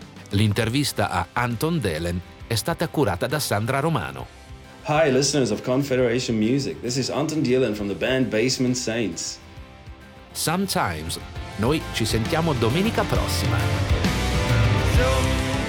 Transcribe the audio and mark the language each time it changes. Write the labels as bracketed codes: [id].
[it] L'intervista a Anton Delen è stata curata da Sandra Romano. [en] Hi listeners of Confederation Music. This is Anton Delen from the band Basement Saints. [it] Sometimes. Noi ci sentiamo domenica prossima.